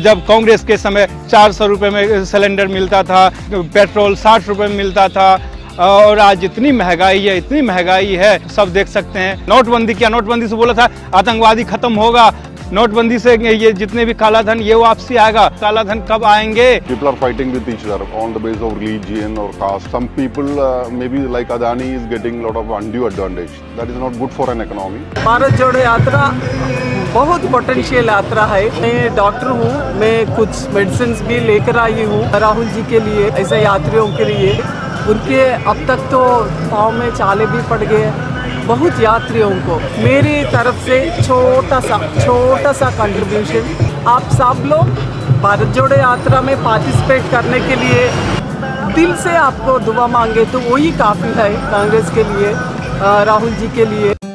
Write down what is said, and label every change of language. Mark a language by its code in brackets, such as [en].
[hi] जब कांग्रेस के समय 400 रुपए में सिलेंडर मिलता था, पेट्रोल 60 रुपए में मिलता था, और आज इतनी महंगाई है सब देख सकते हैं। नोटबंदी किया, नोटबंदी से बोला था आतंकवादी खत्म होगा, नोटबंदी से ये जितने भी काला धन ये वापसी आएगा, काला धन कब आएंगे? [en] People are fighting with each other on the basis of religion or caste. Some people maybe like Adani is getting lot of undue advantage. That is not good for an economy. [hi] Bharat जोड़ो यात्रा बहुत potential यात्रा है। मैं doctor हूँ, मैं कुछ medicine भी लेकर आई हूँ राहुल जी के लिए, ऐसे यात्रियों के लिए। उनके अब तक तो पाँव में चाले भी पड़ गए बहुत यात्रियों को। मेरी तरफ से छोटा सा कंट्रीब्यूशन, आप सब लोग भारत जोड़ो यात्रा में पार्टिसिपेट करने के लिए दिल से आपको दुआ मांगे तो वही काफ़ी है कांग्रेस के लिए, राहुल जी के लिए।